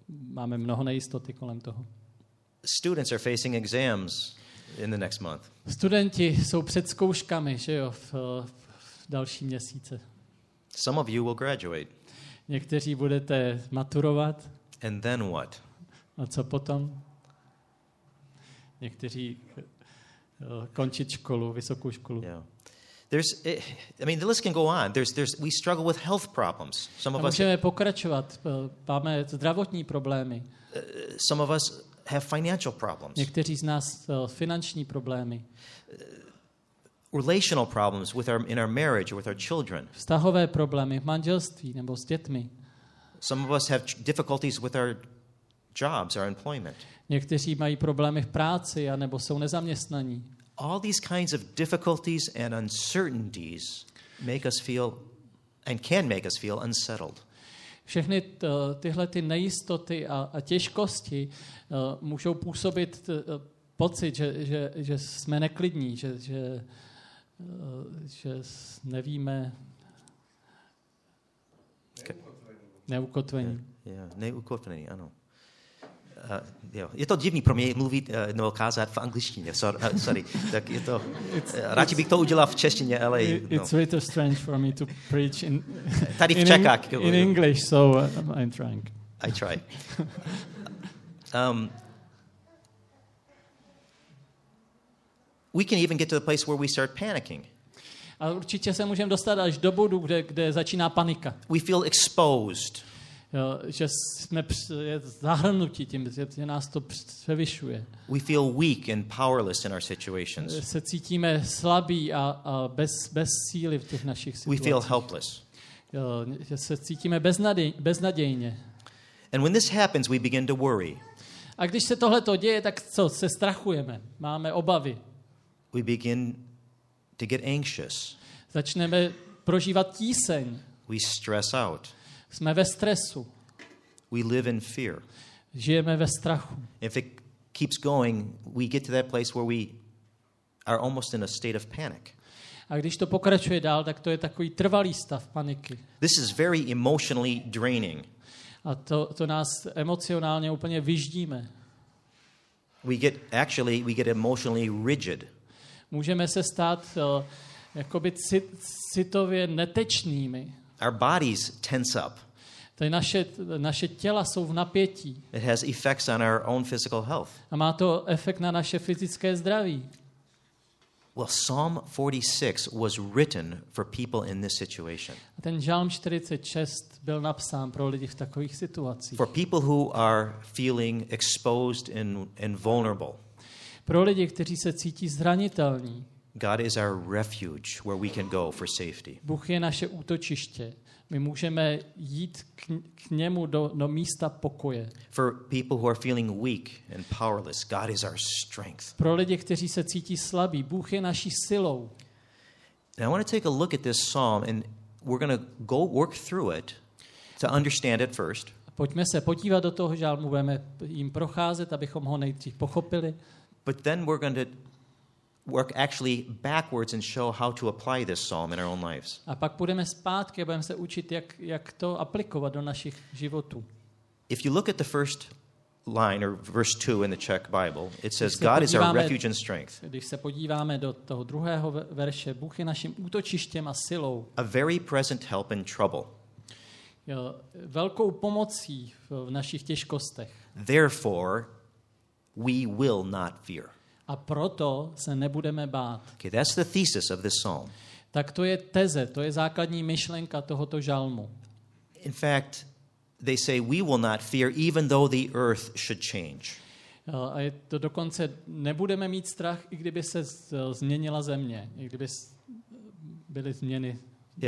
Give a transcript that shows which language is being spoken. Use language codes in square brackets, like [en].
[cs] Máme mnoho nejistoty kolem toho. [en] Students are facing exams in the next month. [cs] Studenti jsou před zkouškami, že jo, v dalším měsíce. [en] Some of you will graduate. [cs] Někteří budete maturovat. [en] And then what? [cs] A co potom? Někteří končit školu, vysokou školu. [en] Yeah. The list can go on. There's we struggle with health problems. Some of us. [cs] Můžeme pokračovat. Máme zdravotní problémy. [en] Some of us have financial problems. [cs] Někteří z nás finanční problémy. [en] Relational problems with in our marriage or with our children. [cs] Vztahové problémy v manželství nebo s dětmi. [en] Some of us have difficulties with our jobs or employment. [cs] Někteří mají problémy v práci a nebo jsou nezaměstnaní. [en] All these kinds of difficulties and uncertainties make us feel and can make us feel unsettled. [cs] Všechny tyhle ty nejistoty a těžkosti můžou působit pocit, že jsme neklidní, že nevíme neukotvení. Neukotvený, ano. Jo. Je to divný pro mě mluvit nebo kázat v angličtině. [en] Sorry. [cs] Tak je to, radši bych to udělal v češtině, ale [en] It's a little strange for me to preach in [cs] tady v Čechách. [en] In English, so I'm trying. I try. We can even get to the place where we start panicking. [cs] A určitě se můžeme dostat až do bodu, kde začíná panika. [en] We feel exposed. [cs] Jo, že jsme zahrnuti tím, že nás to převyšuje. [en] We feel weak and powerless in our situations. [cs] Se cítíme slabí a bez síly v těch našich situacích. [en] We feel helpless. [cs] Jo, se cítíme beznadějně. [en] And when this happens, we begin to worry. [cs] A když se tohle to děje, tak co, se strachujeme, máme obavy. [en] We begin to get anxious. [cs] Začneme prožívat tíseň. [en] We stress out. [cs] Jsme ve stresu. [en] We live in fear. [cs] Žijeme ve strachu. [en] If it keeps going, we get to that place where we are almost in a state of panic. [cs] A když to pokračuje dál, tak to je takový trvalý stav paniky. [en] This is very emotionally draining. [cs] A to nás emocionálně úplně vyždíme. [en] We get emotionally rigid. [cs] Můžeme se stát jakoby citově netečnými. [en] Our bodies tense up. [cs] To je naše těla jsou v napětí. [en] It has effects on our own physical health. [cs] A má to efekt na naše fyzické zdraví. [en] Well, Psalm 46 was written for people in this situation. [cs] A ten žalm 46 byl napsán pro lidi v takových situacích. [en] For people who are feeling exposed and vulnerable. [cs] Pro lidi, kteří se cítí zranitelní. [en] God is our refuge where we can go for safety. [cs] Bůh je naše útočiště. My můžeme jít k němu do místa pokoje. [en] For people who are feeling weak and powerless, God is our strength. [cs] Pro lidi, kteří se cítí slabí, Bůh je naší silou. [en] And I want to take a look at this psalm and we're going to go work through it to understand it first. [cs] Pojďme se podívat do toho žalmu, budeme jim procházet, abychom ho nejdřív pochopili. [en] But then we're going to work actually backwards and show how to apply this psalm in our own lives. [cs] A pak půjdeme zpátky a budeme se učit, jak to aplikovat do našich životů. [en] If you look at the first line or verse 2 in the Czech Bible, it says God is our refuge and strength. [cs] Když se podíváme do toho druhého verše, Bůh je naším útočištěm a silou. [en] A very present help in trouble. [cs] Jo, velkou pomocí v našich těžkostech. [en] Therefore, we will not fear. [cs] A proto se nebudeme bát. [en] Okay, that's the thesis of this psalm. [cs] Tak to je teze, to je základní myšlenka tohoto žalmu. [en] In fact, they say we will not fear even though the earth should change. [cs] A je to dokonce nebudeme mít strach, i kdyby se změnila země, i kdyby byly změny na